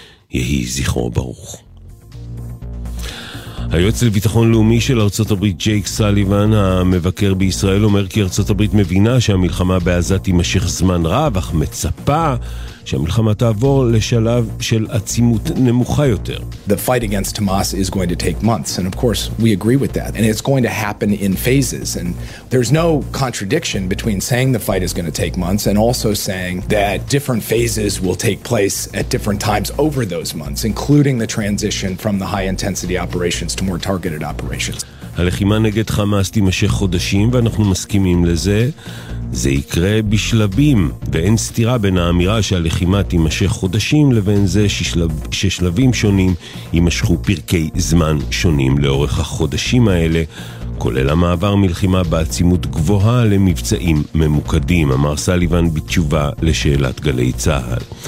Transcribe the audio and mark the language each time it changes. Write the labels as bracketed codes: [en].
[he] יהי זכרו ברוך. היועץ לביטחון לאומי של ארצות הברית ג'ייק סליבן, המבקר בישראל, אומר כי ארצות הברית מבינה שהמלחמה בעזה תימשך זמן רב, אך מצפה שהמלחמה תעבור לשלב של עצימות נמוכה יותר. [en] The fight against Hamas is going to take months, and of course we agree with that, and it's going to happen in phases, and there's no contradiction between saying the fight is going to take months and also saying that different phases will take place at different times over those months, including the transition from the high intensity operations to more targeted operations. [he] הלחימה נגד חמאס תימשך חודשים, ואנחנו מסכימים לזה. זה יקרה בשלבים, ואין סתירה בין האמירה שהלחימה תימשך חודשים לבין זה ששלבים שונים יימשכו פרקי זמן שונים לאורך החודשים האלה, כולל המעבר מלחימה בעצימות גבוהה למבצעים ממוקדים, אמר סליבן בתשובה לשאלת גלי צהל.